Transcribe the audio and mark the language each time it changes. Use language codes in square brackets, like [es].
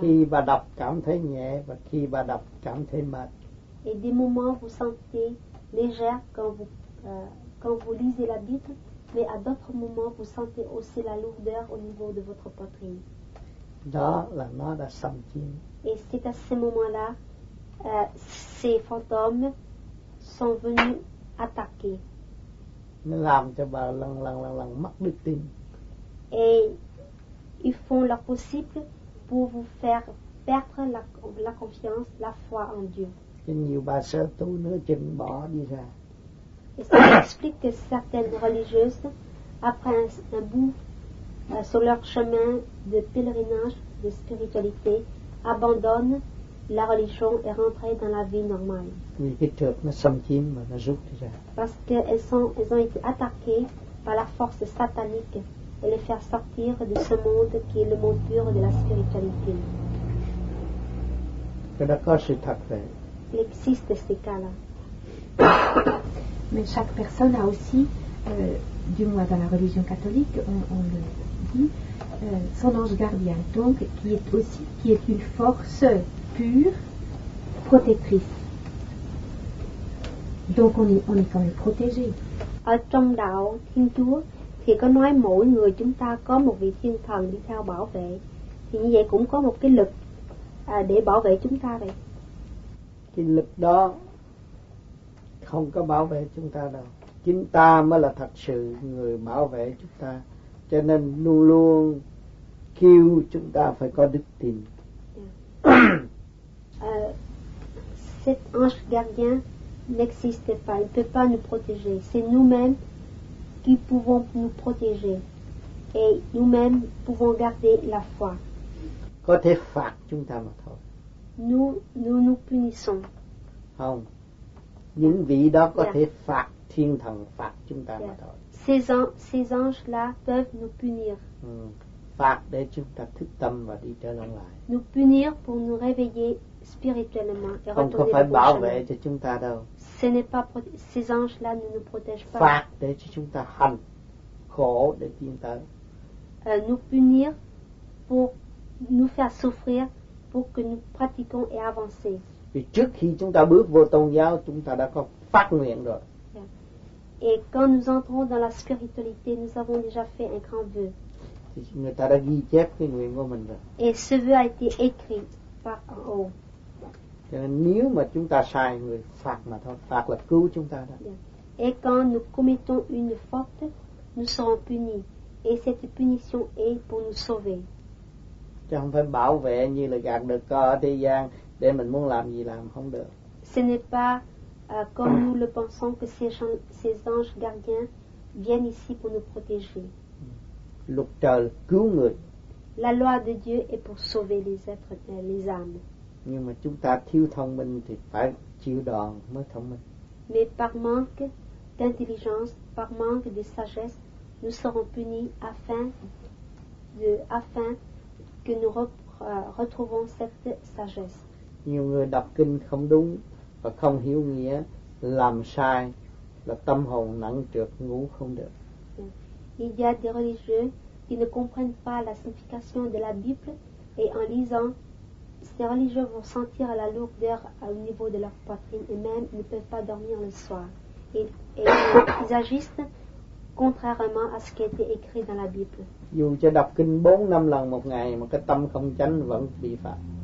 [vi] Khi bà đọc cảm thấy nhẹ và khi bà đọc cảm thấy mệt. [fr] Et des moments vous sentez légère quand vous lisez la Bible, mais à d'autres moments vous sentez aussi la lourdeur au niveau de votre poitrine. [vi] Đó là nó đã xâm chiếm. [fr] Et c'est à ce moment-là. Ces fantômes sont venus attaquer. [vi] Nên làm cho bà lần mất đức tin. [fr] Et ils font leur possible pour vous faire perdre la confiance, la foi en Dieu. Et [vi] nhiều bà sơ tu nữa chừng bỏ đi ra. [fr] Et ça explique que certaines religieuses, après un bout sur leur chemin de pèlerinage, de spiritualité, abandonnent la religion est rentrée dans la vie normale. [vi] Vì cái trược nó xâm chiếm mà nó rút ra. [fr] Parce qu'elles ont été attaquées par la force satanique et les faire sortir de ce monde qui est le monde pur de la spiritualité. [vi] Cái đó có sự thật vậy. [fr] Il existe ces cas-là. Mais chaque personne a aussi, du moins dans la religion catholique, on le dit, son ange gardien, donc qui est une force pure, protectrice. Donc on est quand même protégé. [vi] Ở trong đạo Thiên Chúa thì có nói mỗi người chúng ta có một vị thiên thần đi theo bảo vệ, thì như vậy cũng có một cái lực để bảo vệ chúng ta vậy. Cái lực đó không có bảo vệ chúng ta đâu, chính ta mới là thật sự người bảo vệ chúng ta, cho nên luôn luôn kêu chúng ta phải có đức tin. [fr] Cet ange gardien n'existe pas, il ne peut pas nous protéger. C'est nous-mêmes qui pouvons nous protéger et nous-mêmes pouvons garder la foi. [vi] Có thể phạt chúng ta mà thôi. [fr] Nous nous punissons. [vi] Không. Những vị đó có thể phạt thiên thần phạt chúng ta mà thôi. [fr] Ces anges-là peuvent nous punir. [vi] Phạt để chúng ta thức tâm và đi trở lại. [fr] Nous punir pour nous réveiller spirituellement et [vi] không [fr] retourner [vi] có phải bảo vệ cho chúng ta đâu. [fr] Ce n'est pas ces anges-là ne nous protègent pas. [vi] Phạt để cho chúng ta hành khổ để tiến tới. [fr] Nous punir pour nous faire souffrir pour que nous pratiquions et avancions. [vi] Vì trước khi chúng ta bước vô tôn giáo, chúng ta đã có phát nguyện rồi. [fr] Et quand nous entrons dans la spiritualité, nous avons déjà fait un grand vœu. [vi] Người ta đã ghi chép cái nguyện của mình rồi. [fr] Et ce vœu a été écrit par en haut. [vi] Cho nên nếu mà chúng ta sai, người phạt mà thôi, phạt là cứu chúng ta đó. [fr] Et quand nous commettons une faute, nous serons punis. Et cette punition est pour nous sauver. [vi] Chứ không phải bảo vệ như là gạt được cơ ở thế gian để mình muốn làm gì làm không được. [fr] Ce n'est pas comme nous le pensons que ces anges gardiens viennent ici pour nous protéger. [vi] Luật trời cứu người. [fr] La loi de Dieu est pour sauver les êtres, les âmes. [vi] Nhưng mà chúng ta thiếu thông minh thì phải chịu đòn mới thông minh. [fr] Mais par manque d'intelligence, par manque de sagesse, nous serons punis afin que nous retrouvons cette sagesse. Nhiều người đọc kinh không đúng và không hiểu nghĩa, làm sai là tâm hồn nặng trược, ngủ không được. Il y a des religieux qui ne comprennent pas la signification de la Bible et en lisant, ces religieux vont sentir la lourdeur au niveau de leur poitrine et même ne peuvent pas dormir le soir. Ils agissent contrairement à ce qui était écrit dans la Bible. [vi] Dù cho đọc kinh 4-5 lần một ngày mà cái tâm không chánh vẫn bị phạm.